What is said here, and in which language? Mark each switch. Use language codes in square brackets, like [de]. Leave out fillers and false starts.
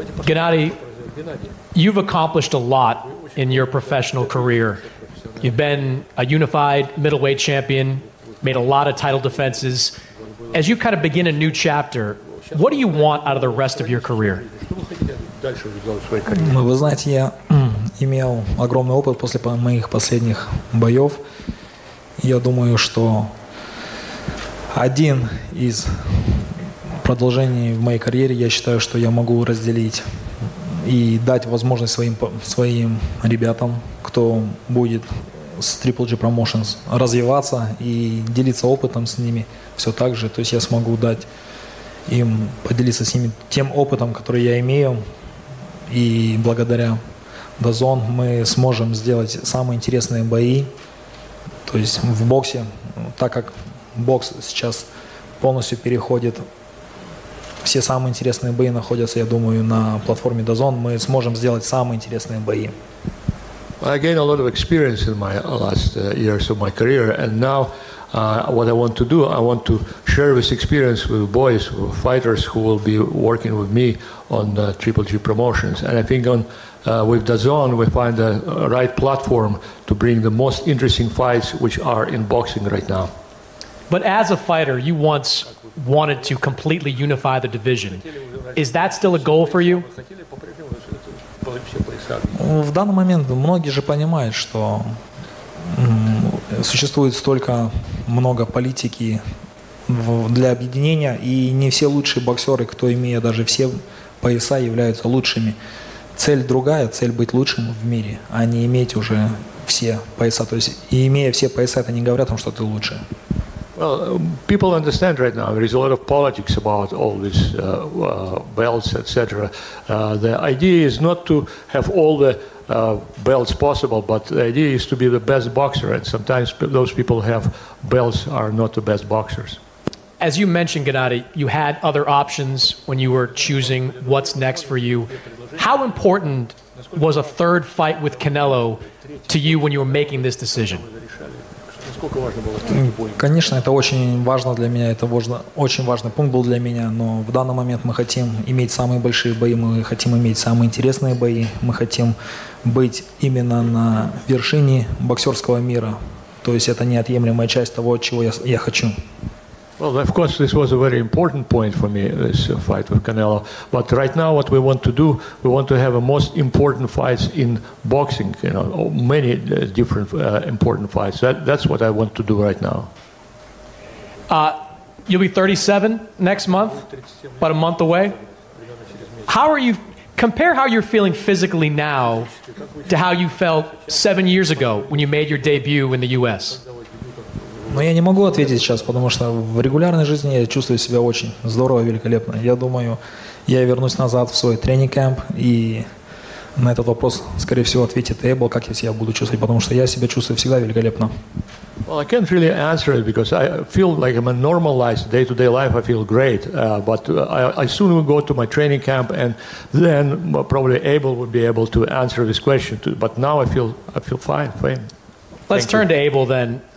[en] Gennady, you've accomplished a lot in your professional career. You've been a unified middleweight champion, made a lot of title defenses. As you kind of begin a new chapter, what do you want out of the rest of your career? [ru] Вы знаете, я имел огромный опыт после моих последних боев. Я думаю, что один из продолжений в моей карьере, я считаю, что я могу разделить и дать возможность своим ребятам, кто будет с Triple G Promotions, развиваться и делиться опытом с ними все так же. То есть я смогу дать им, поделиться с ними тем опытом, который я имею. И благодаря DAZN мы сможем сделать самые интересные бои, то есть в боксе, так как бокс сейчас полностью переходит, все самые интересные бои находятся, я думаю, на платформе DAZN, мы сможем сделать самые интересные бои. [en] I gained a lot of experience in my last years of my career, and now what I want to do, I want to share this experience with boys, with fighters who will be working with me on Triple G Promotions. And I think with DAZN, we find the right platform to bring the most interesting fights which are in boxing right now. But as a fighter, you once wanted to completely unify the division. Is that still a goal for you? [ru] В данный момент многие же понимают, что существует столько много политики для объединения, и не все лучшие боксеры, кто имеет даже все пояса, являются лучшими. Цель другая, цель быть лучшим в мире, а не иметь уже все пояса. То есть, и имея все пояса, это не говорит о том, что ты лучше. [en] Well, people understand right now, there is a lot of politics about all these belts, etc. The idea is not to have all the belts possible, but the idea is to be the best boxer, and sometimes those people who have belts are not the best boxers. As you mentioned, Gennady, you had other options when you were choosing what's next for you. How important was a third fight with Canelo to you when you were making this decision? [ru] Конечно, это очень важно для меня, это очень важный пункт был для меня, но в данный момент мы хотим иметь самые большие бои, мы хотим иметь самые интересные бои, мы хотим быть именно на вершине боксерского мира, то есть это неотъемлемая часть того, чего я хочу. [en] Well, of course, this was a very important point for me, this fight with Canelo. But right now, what we want to do, we want to have the most important fights in boxing, you know, many different important fights. That's what I want to do right now. You'll be 37 next month, about a month away. Compare how you're feeling physically now to how you felt 7 years ago when you made your debut in the U.S. [ru] Но я не могу ответить сейчас, потому что в регулярной жизни я чувствую себя очень здорово, великолепно. Я думаю, я вернусь назад в свой тренинг-кэмп, и на этот вопрос, скорее всего, ответит Эйбл, как я себя буду чувствовать, потому что я себя чувствую всегда великолепно. [en] Well, I can't really answer it because I feel like I'm a normalized day-to-day life. I feel great, but I soon will go to my training camp, and then probably Abel will be able to answer this question. But now I feel fine. Let's turn to Abel then.